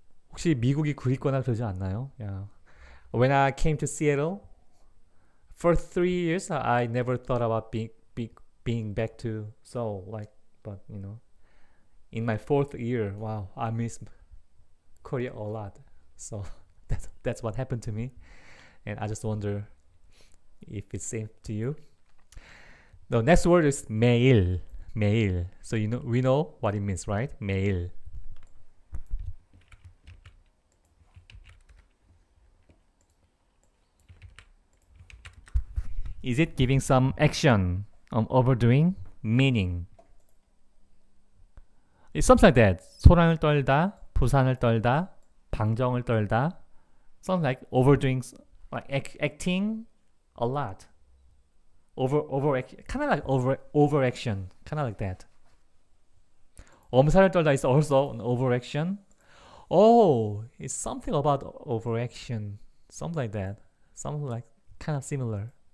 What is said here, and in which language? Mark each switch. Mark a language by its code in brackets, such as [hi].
[ko] 혹시 미국이 그립거나 그러지 않나요? [en] Yeah. When I came to Seattle, for 3 years, I never thought about being back to Seoul. Like, but you know. In my fourth year, wow, I miss Korea a lot. So that's what happened to me. And I just wonder if it's same to you. The next word is 매일. 매일. So you know we know what it means, right? 매일. Is it giving some action? Overdoing meaning. It's something like that. [ko] 소란을 떨다, 부산을 떨다, 방정을 떨다. [en] Something like overdoing, like acting a lot. Kind of like overaction, kind of like that. [ko] 엄살을 떨다 [en] is also an overaction. Oh, it's something about overaction. Something like that. Something like kind of similar.